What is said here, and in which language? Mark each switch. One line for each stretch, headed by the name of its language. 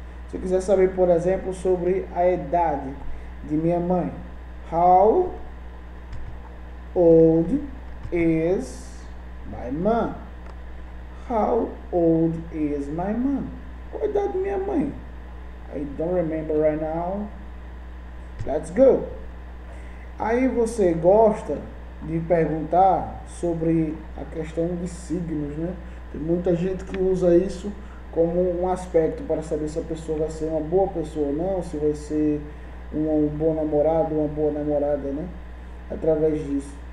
Portuguese: Se eu quiser saber, por exemplo, sobre a idade de minha mãe,
English: how old is my mom? How old is my mom?
Portuguese: Qual a idade de minha mãe?
English: I don't remember right now. Let's go.
Portuguese: Aí você gosta de perguntar sobre a questão de signos, né? Tem muita gente que usa isso como um aspecto para saber se a pessoa vai ser uma boa pessoa ou não, se vai ser um bom namorado, uma boa namorada, né? Através disso.